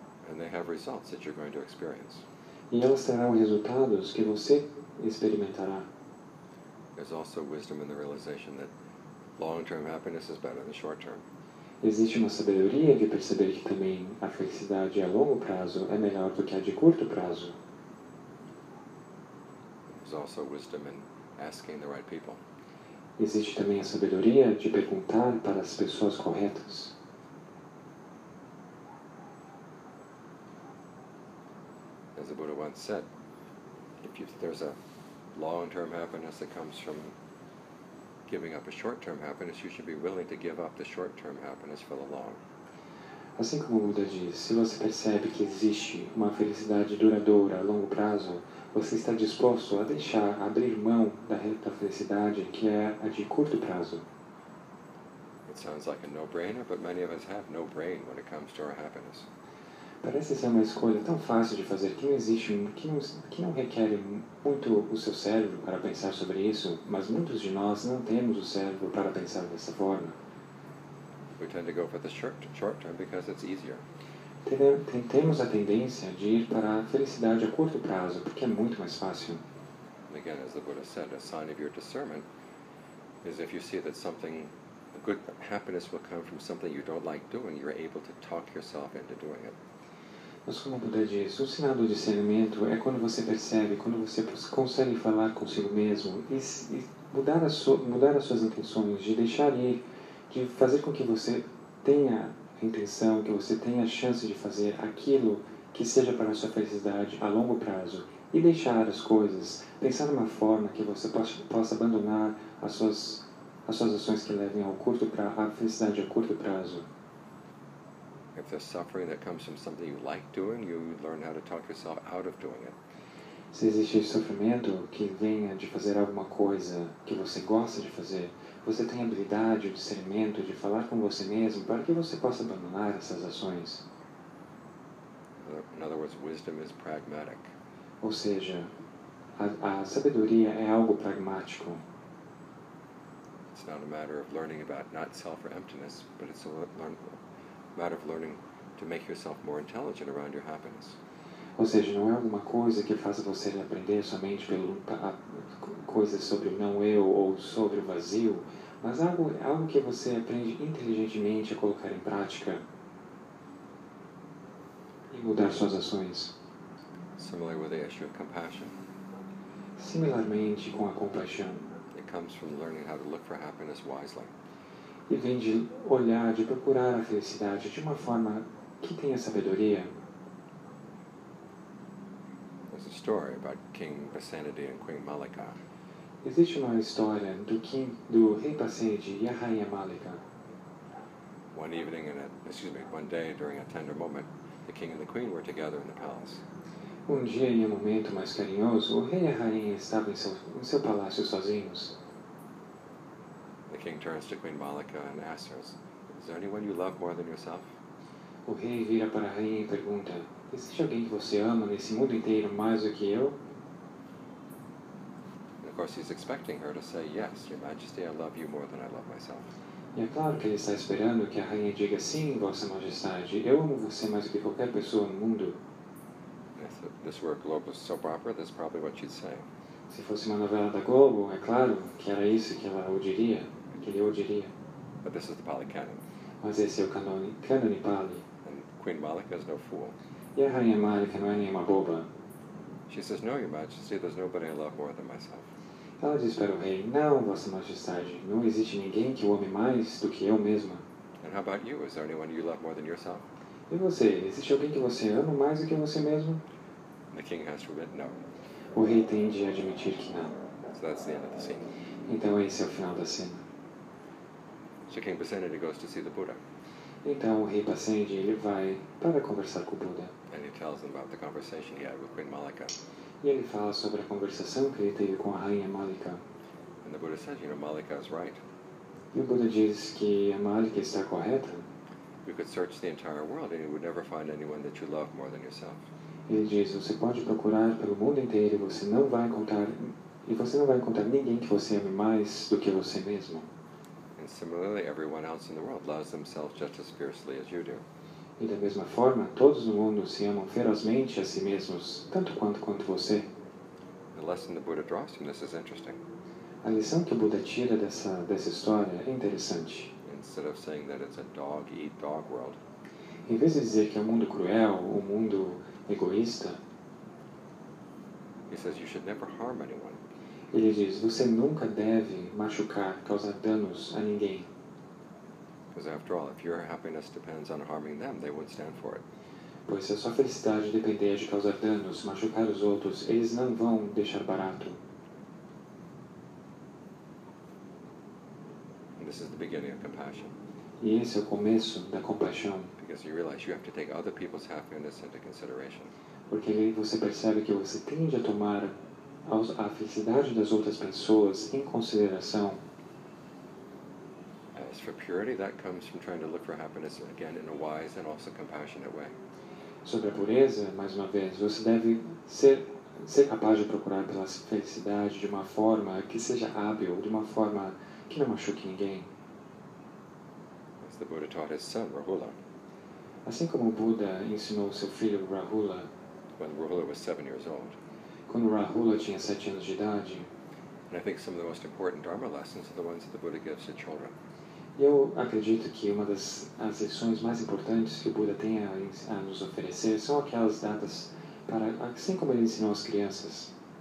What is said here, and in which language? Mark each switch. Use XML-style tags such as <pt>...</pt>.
<en>And they have results that you're going to experience.</en> <pt>E elas terão resultados que você experimentará.</pt> <en>There's also wisdom in the realization that long-term happiness is better than short-term.</en> <pt>Existe uma sabedoria de perceber que também a felicidade a longo prazo é melhor do que a de curto prazo.</pt> <en>There's also wisdom in asking the right people.</en> <pt>Existe também a sabedoria de perguntar para as pessoas corretas.</pt> <en>As the Buddha once said, if there's a long-term happiness that comes from giving up a short-term happiness, you should be willing to give up the short-term happiness for the long.</en> <pt>Assim como o Buda diz, se você percebe que existe uma felicidade duradoura a longo prazo, você está disposto a deixar, a abrir mão da felicidade que é a de curto prazo.</pt> <en>It sounds like a no-brainer, but many of us have no brain when it comes to our happiness.</en> <pt>Parece ser uma escolha tão fácil de fazer que não existe, que não requer muito o seu cérebro para pensar sobre isso, mas muitos de nós não temos o cérebro para pensar dessa forma.</pt> <en>We tend to go for the short term because it's easier.</en> <pt>Temos a tendência de ir para a felicidade a curto prazo, porque é muito mais fácil.</pt> <en>Again, as the Buddha said, a sign of your discernment is if you see that something good happiness will come from something you don't like doing, you're able to talk yourself into doing it.</en> <pt>Mas como o Buda diz, o sinal do discernimento é quando você percebe, quando você consegue falar consigo mesmo e mudar as suas intenções, de deixar ir, de fazer com que você tenha a intenção, que você tenha a chance de fazer aquilo que seja para a sua felicidade a longo prazo e deixar as coisas, pensar numa forma que você possa abandonar as suas ações que levem ao curto prazo, à felicidade a curto prazo.</pt> <en>If there's suffering that comes from something you like doing, you learn how to talk yourself out of doing it.</en> <pt>Se existe sofrimento que venha de fazer alguma coisa que você gosta de fazer, você tem habilidade, o discernimento de falar com você mesmo para que você possa abandonar essas ações.</pt> <en>In other words, wisdom is pragmatic.</en> <pt>Ou seja, a sabedoria é algo pragmático.</pt> <en>It's not a matter of learning about not self or emptiness, but it's a matter of learning to make yourself more intelligent around your happiness.</en> <pt>Ou seja, não é alguma coisa que faça você aprender somente coisas sobre o não eu ou sobre o vazio, mas algo que você aprende inteligentemente a colocar em prática e mudar suas ações.</pt> <en>Similarly with the issue of compassion.</en> <pt>Similarmente com a compaixão.</pt> <en>It comes from learning how to look for happiness wisely.</en> <pt>E vem de olhar, de procurar a felicidade de uma forma que tenha sabedoria.</pt> <en>There's a story about King Basenadi and Queen Malika.</en> <pt>Existe uma história do rei Basenadi e a rainha Malika.</pt> <en>One day during a tender moment, the king and the queen were together in the palace.</en> <pt>Um dia em um momento mais carinhoso, o rei e a rainha estavam em seu palácio sozinhos.</pt> <en>The king turns to Queen Malika and asks her, "Is there anyone you love more than yourself?"</en> <pt>O rei vira para a rainha e pergunta, "Existe alguém que você ama nesse mundo inteiro mais do que eu?"</pt> <en>And of course, he's expecting her to say, "Yes, Your Majesty, I love you more than I love myself."</en> <pt>E é claro que ele está esperando que a rainha diga, "Sim, Vossa Majestade, eu amo você mais do que qualquer pessoa no mundo."</pt> <en>If this were a global soap opera, that's probably what she'd say.</en> <pt>Se fosse uma novela da Globo, é claro que era isso que ela o diria, que ele o diria.</pt> <en>But this is the Pali canon.</en> <pt>Mas esse é o canon Pali.</pt> <en>And Queen Malika is no fool.</en> <pt>E a rainha Malika não é nenhuma boba.</pt> <en>She says, "No, Your Majesty, there's nobody I love more than myself."</en> <pt>Ela diz para o rei, "Não, Vossa Majestade, não existe ninguém que o ame mais do que eu mesma."</pt> <en>And how about you? Is there anyone you love more than yourself?</en> <pt>E você? Existe alguém que você ama mais do que você mesmo?</pt> <en>And the king has to admit, "No."</en> <pt>O rei tem de admitir que não.</pt> <en>So that's the end of the scene.</en> <pt>Então esse é o final da cena.</pt> <en>So King Basenadi goes to see the Buddha.</en> <pt>Então o rei Basenadi, ele vai para conversar com o Buda.</pt> <en>And he tells him about the conversation he had with Queen Malika.</en> <pt>E ele fala sobre a conversação que ele teve com a rainha Malika.</pt> <en>And the Buddha says, "You know, Malika is right."</en> <pt>E o Buda diz que a Malika está correta.</pt> <en>You could search the entire world and you would never find anyone that you love more than yourself.</en> <pt>Ele diz, você pode procurar pelo mundo inteiro e você não vai encontrar ninguém que você ame mais do que você mesmo.</pt> <en>And similarly, everyone else in the world loves themselves just as fiercely as you do.</en> <pt>E da mesma forma, todos no mundo se amam ferozmente a si mesmos, tanto quanto você.</pt> <en>The lesson the Buddha draws from this is interesting.</en> <pt>A lição que o Buda tira dessa história é interessante.</pt> <en>Instead of saying that it's a dog-eat-dog world.</en> <pt>Em vez de dizer que é um mundo cruel, um mundo egoísta.</pt> <en>He says you should never harm anyone.</en> <pt>Ele diz, você nunca deve machucar, causar danos a ninguém.</pt> <en>Because after all, if your happiness depends on harming them, they wouldn't stand for it.</en> <pt>Pois se a sua felicidade depender de causar danos, machucar os outros, eles não vão deixar barato.</pt> <en>And this is the beginning of compassion.</en> <pt>E esse é o começo da compaixão.</pt> <en>Because you realize you have to take other people's happiness into consideration.</en> <pt>Porque aí você percebe que você tende a tomar a felicidade das outras pessoas em consideração.</pt> <en>As for purity, that comes from trying to look for happiness again in a wise and also compassionate way.</en> <pt>sobre a pureza, mais uma vez, você deve ser capaz de procurar pela felicidade de uma forma que seja hábil, de uma forma que não machuque ninguém.</pt> <en>As the Buddha taught his son, Rahula.</en> <pt>Assim como o Buda ensinou seu filho Rahula,</pt> <en>when Rahula was 7 years old.</en> <pt>Quando Rahula tinha 7 anos de idade.</pt> <en>And I think some of the most important Dharma lessons are the ones that the Buddha gives to children.</en> <pt>Eu acredito que uma das as lições mais importantes que o Buda tem a nos oferecer são aquelas dadas para assim como ele ensinou as crianças.</pt>